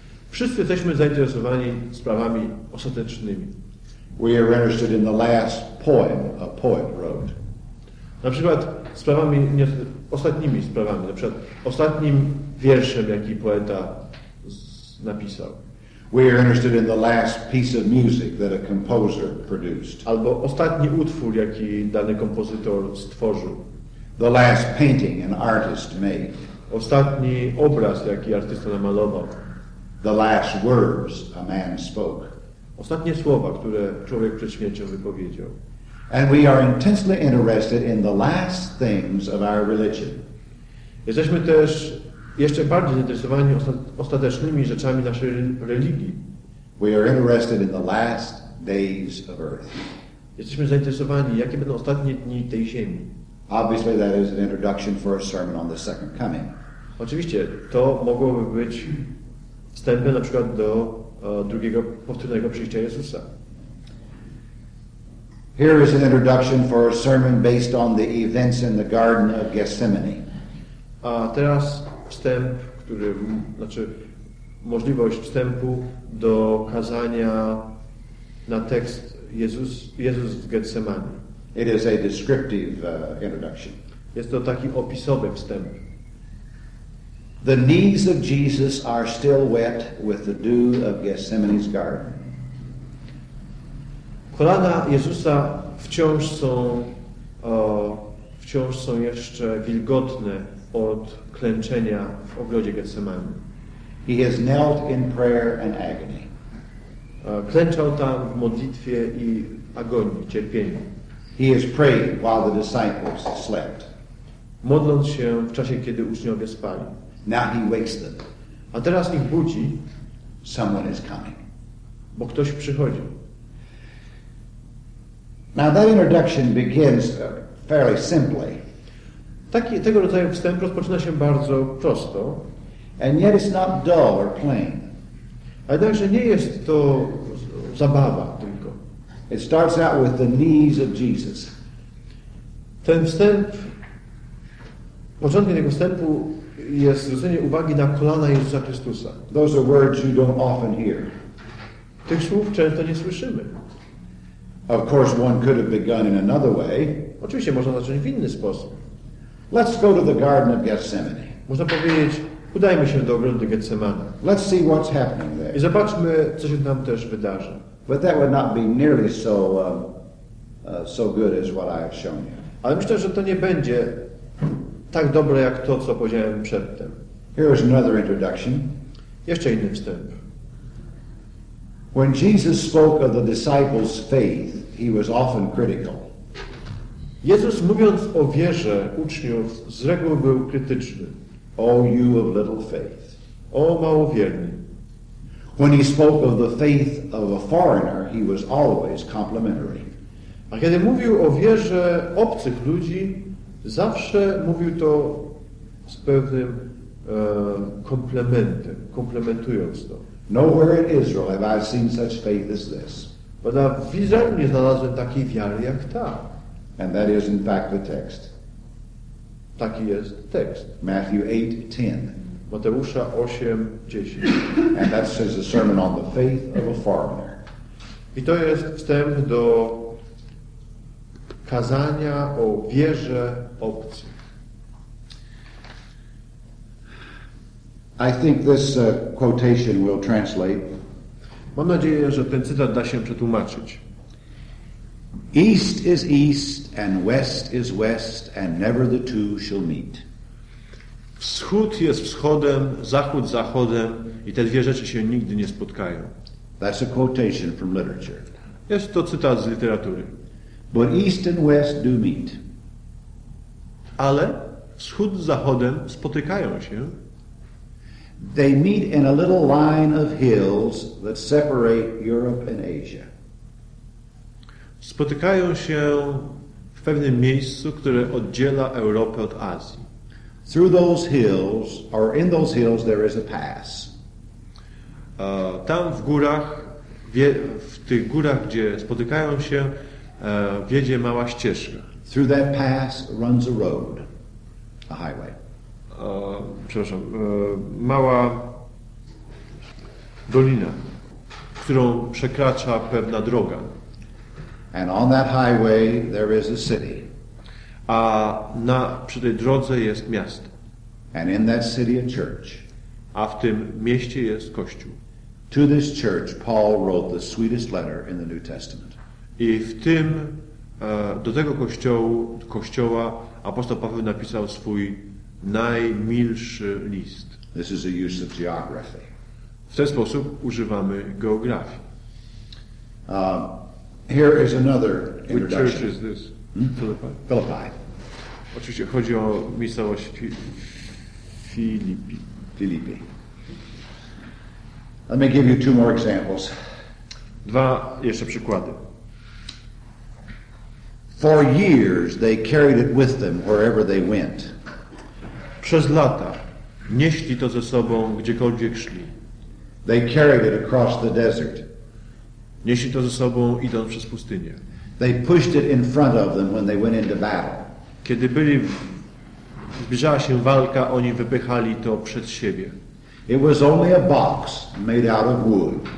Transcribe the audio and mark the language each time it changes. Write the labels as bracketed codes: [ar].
[pl] Wszyscy jesteśmy zainteresowani sprawami ostatecznymi. [en] We are interested in the last poem a poet wrote. [pl] Na przykład sprawami, nie, ostatnimi sprawami, na przykład ostatnim wierszem, jaki poeta napisał. [en] We are interested in the last piece of music that a composer produced. [pl] Albo ostatni utwór, jaki dany kompozytor stworzył. [en] The last painting an artist made. [pl] Ostatni obraz, jaki artysta namalował. [en] The last words a man spoke. [pl] Ostatnie słowa, które człowiek przed śmiercią wypowiedział. [en] And we are intensely interested in the last things of our religion. [pl] Jesteśmy też jeszcze bardziej zainteresowani ostatecznymi rzeczami naszej religii. [en] We are interested in the last days of earth. [pl] Jesteśmy zainteresowani, jakie będą ostatnie dni tej ziemi. [en] Obviously that is an introduction for a sermon on the second coming. [pl] Oczywiście to mogłoby być wstępem na przykład do drugiego powtórnego przyjścia Jezusa. [en] Here is an introduction for a sermon based on the events in the Garden of Gethsemane. [pl] A teraz wstęp, który, znaczy możliwość wstępu do kazania na tekst Jezus w Getsemani. [en] It is a descriptive introduction. [pl] Jest to taki opisowy wstęp. [en] The knees of Jesus are still wet with the dew of Gethsemane's garden. [pl] Kolana Jezusa wciąż są jeszcze wilgotne od klęczenia w ogrodzie Getsemani. [en] He has knelt in prayer and agony. [pl] Klęczał tam w modlitwie i agonii, cierpieniu. [en] He has prayed while the disciples slept. [pl] Modląc się w czasie, kiedy uczniowie spali. [en] Now he wakes them. [pl] A teraz ich budzi. [en] Someone is coming. [pl] Bo ktoś przychodzi. [en] Now that introduction begins fairly simply. [pl] Tego rodzaju wstęp rozpoczyna się bardzo prosto. [en] And yet it's not dull or plain. [pl] Ale także nie jest to zabawa tylko. [en] It starts out with the knees of Jesus. [pl] Ten wstęp, początkiem tego wstępu jest zwrócenie uwagi na kolana Jezusa Chrystusa. [en] Those are words you don't often hear. [pl] Tych słów często nie słyszymy. [en] Of course, one could have begun in another way. [pl] Oczywiście można zacząć w inny sposób. [en] Let's go to the Garden of Gethsemane. [pl] Można powiedzieć, udajmy się do ogrodu Getsemani. [en] Let's see what's happening there. [pl] I zobaczmy, co się tam też wydarzy. [en] But that would not be nearly so good as what I have shown you. [pl] Ale myślę, że to nie będzie tak dobre jak to, co powiedziałem przedtem. [en] Here is another introduction. [pl] Jeszcze inny wstęp. [en] When Jesus spoke of the disciples' faith, he was often critical. [pl] Jezus mówiąc o wierze uczniów, z reguły był krytyczny. [en] Oh, you of little faith. [pl] O małowierny. [en] When he spoke of the faith of a foreigner, he was always complimentary. [pl] A kiedy mówił o wierze obcych ludzi, zawsze mówił to z pewnym komplementem, komplementując to. [en] Nowhere in Israel have I seen such faith as this. [pl] Bo w Izraelu nie znalazłem takiej wiary jak ta. [en] And that is in fact the text. [pl] Taki jest tekst. [en] Matthew 8:10. [pl] Mateusza 8:10. [en] And that says a sermon on the faith of a foreigner. [pl] I to jest wstęp do kazania o wierze obcych. [en] I think this quotation will translate. [pl] Mam nadzieję, że ten cytat da się przetłumaczyć. [en] East is east and west is west and never the two shall meet. [pl] Wschód jest wschodem, zachód zachodem i te dwie rzeczy się nigdy nie spotkają. [en] That's a quotation from literature. [pl] Jest to cytat z literatury. [en] But east and west do meet. [pl] Ale wschód z zachodem spotykają się. [en] They meet in a little line of hills that separate Europe and Asia. [pl] Spotykają się w pewnym miejscu, które oddziela Europę od Azji. [en] Through those hills, or in those hills, there is a pass. [pl] Tam w górach, w tych górach, gdzie spotykają się, wiedzie mała ścieżka. [en] Through that pass runs a road, a highway. [pl] Przepraszam, mała dolina, którą przekracza pewna droga. [en] And on that highway there is a city. [pl] A przy tej drodze jest miasto. [en] And in that city a church. [pl] A w tym mieście jest kościół. [en] To this church Paul wrote the sweetest letter in the New Testament. [pl] I w tym do tego kościoła apostoł Paweł napisał swój najmilszy list. [en] This is a use of geography. [pl] W ten sposób używamy geografii. [en] Here is another introduction. Which church is this? Philippi. [pl] Oczywiście chodzi o miejscowość Filipi. Filipi. [en] Let me give you two more examples. [pl] Dwa jeszcze przykłady. [en] For years they carried it with them wherever they went. [pl] Przez lata nieśli to ze sobą gdziekolwiek szli. [en] They carried it across the desert. [pl] Nieśli to ze sobą idąc przez pustynię. [en] They pushed it in front of them when they went into battle. [pl] Kiedy byli zbliżała się walka, oni wypychali to przed siebie. [en] It was only a box made out of wood.